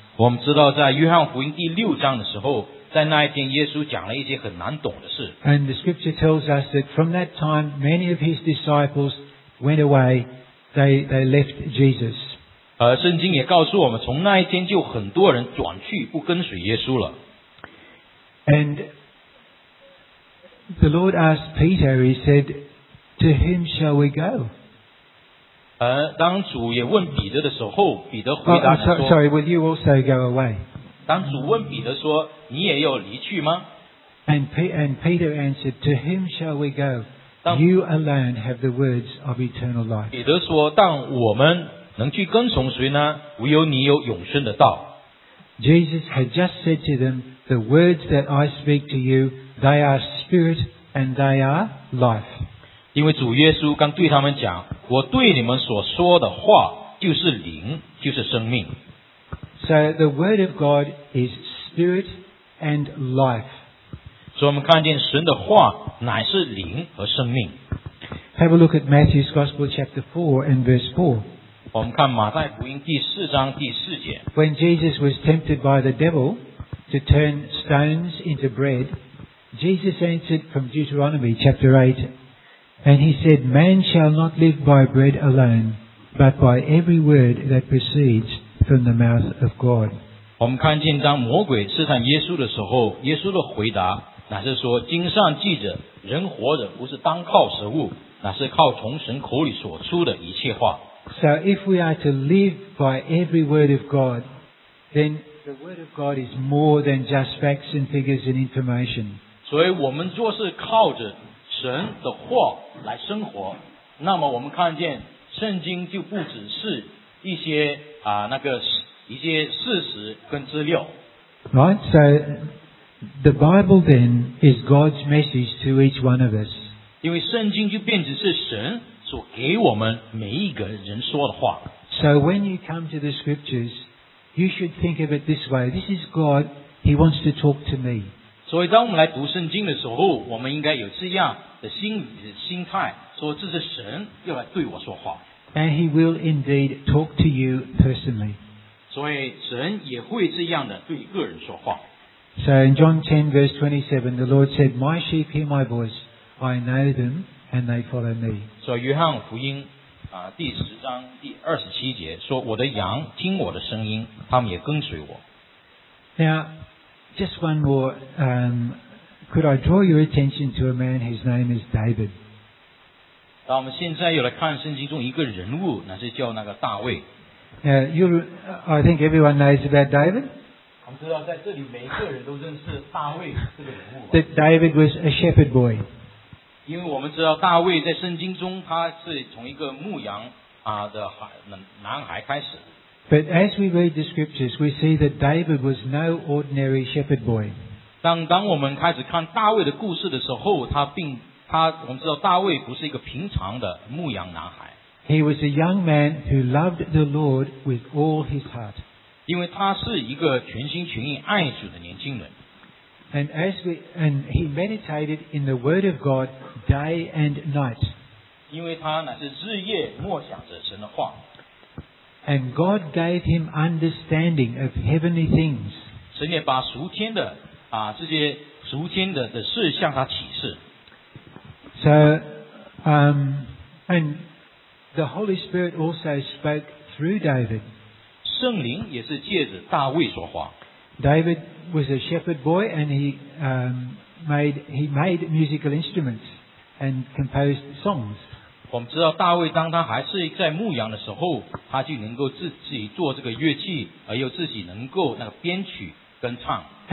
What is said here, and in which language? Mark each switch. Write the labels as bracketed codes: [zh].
[zh] 我们知道在约翰福音第六章的时候，在那一天耶稣讲了一些很难懂的事。 [en] And the scripture tells us that from that time, many of his disciples went away. They left Jesus. [zh] 圣经也告诉我们，从那一天就很多人转去不跟随耶稣了。 [en] And the Lord asked Peter, he said,To whom shall we go? [zh] 当主也问彼得的时候，彼得回答说 [en] Sorry, will you also go away? [zh] 当主问彼得说，你也要离去吗？ [en] And Peter answered, To whom shall we go? You alone have the words of eternal life. [zh] 彼得说，但我们能去跟从谁呢？唯有你有永生的道。 [en] Jesus had just said to them, The words that I speak to you, they are spirit and they are life. [zh] 因为主耶稣刚对他们讲，我对你们所说的话就是灵，就是生命。 [en] So the word of God is spirit and life. [zh] 所以我们看见神的话乃是灵和生命。 [en] Have a look at Matthew's Gospel chapter 4 and verse 4. [zh] 我们看马太福音第四章第四节。 [en] When Jesus was tempted by the devil to turn stones into bread, Jesus answered from Deuteronomy chapter 8. And he said, Man shall not live by bread alone, but by every word that proceeds from the mouth of God. [zh] 我们看见当魔鬼试探耶稣的时候，耶稣的回答乃是说，经上记着，人活着不是单靠食物，乃是靠从神口里所出的一切话。 [en] So if we are to live by every word of God, then the word of God is more than just facts and figures and information. [zh] 所以我们若是靠着神的话来生活，那么我们看见圣经就不只是一些一些事实跟资料。 [en] Right, so the Bible then is God's message to each one of us. [zh] 因为圣经就变成是神所给我们每一个人说的话。 [en] So when you come to the scriptures, you should think of it this way. This is God. He wants to talk to me. [zh] 所以当我们来读圣经的时候，我们应该有这样的心态，说这是神要来对我说话。 [en] And he will indeed talk to you personally. [zh] 所以神也会这样的对个人说话。 [en] So in John 10 verse 27, the Lord said, My sheep hear my voice, I know them, and they follow me. [zh] 所以约翰福音第十章第二十七节说，我的羊听我的声音，他们也跟随我。 [en] Now,Just one more. Could I draw your attention to a man whose name is David? [zh] 当我们现在又来看圣经中一个人物，那是叫那个大卫。 [en] I think everyone knows about David. [zh] 我们知道在这里每一个人都认识大卫这个人物。 [en] That David was a shepherd boy. [zh] 因为我们知道大卫在圣经中他是从一个牧羊的男孩开始。 [en] But as we read the scriptures, we see that David was no ordinary shepherd boy. [zh] 当我们开始看大卫的故事的时候，我们知道大卫不是一个平常的牧羊男孩。 [en] He was a young man who loved the Lord with all his heart. [zh] 因为他是一个全心全意爱主的年轻人。 [en] And he meditated in the word of God day and night. [zh] 因为他乃是日夜默想着神的话。 [en] And God gave him understanding of heavenly things. [zh] 神也把属天的这些属天的事向他启示。 [en] So, and the Holy Spirit also spoke through David. [zh] 圣灵也是借着大卫说话。 [en] David was a shepherd boy, and he made musical instruments and composed songs. [zh] 我们知道大卫当他还是在牧羊的时候，他就能够自己做这个乐器，而又自己能够那个编曲跟唱。